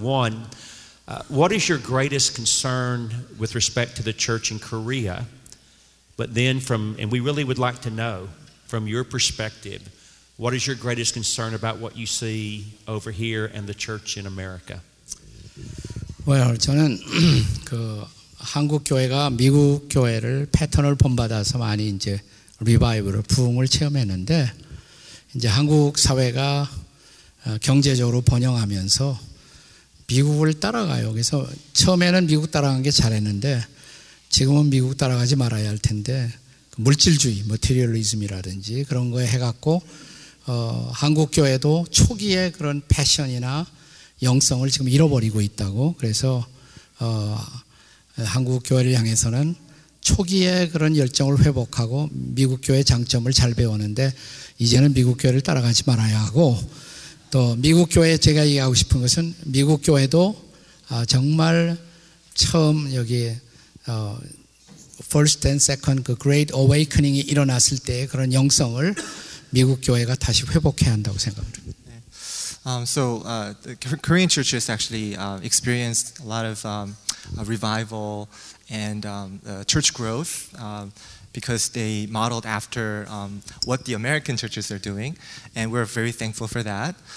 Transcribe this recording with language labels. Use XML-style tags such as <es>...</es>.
<en>One, what is your greatest concern with respect to the church in Korea? But then and we really would like to know from your perspective, what is your greatest concern about what you see over here and the church in America?</en> <ko>Well, 저는 그 한국 교회가 미국 교회를 패턴을 본받아서 많이 이제 리바이벌을 부흥을 체험했는데 이제 한국 사회가 경제적으로 번영하면서 미국을 따라가요. 그래서 처음에는 미국 따라간 게 잘했는데 지금은 미국 따라가지 말아야 할 텐데 그 물질주의, 머티리얼리즘이라든지 그런 거에 해갖고 한국 교회도 초기에 그런 패션이나 영성을 지금 잃어버리고 있다고 그래서 한국 교회를 향해서는 초기에 그런 열정을 회복하고 미국 교회 장점을 잘 배웠는데 이제는 미국 교회를 따라가지 말아야 하고 또 미국 교회 제가 얘기하고 싶은 것은 미국 교회도 정말 처음 여기</ko> <en>first and second</en> <ko>그</ko> <en>great awakening</en> <ko>이 일어났을 때 그런 영성을 미국 교회가 다시 회복해야 한다고 생각합니다.</ko> <en>The Korean church has actually experienced a lot of revival and church growth because they modeled after what the American churches are doing, and we're very thankful for that.</en>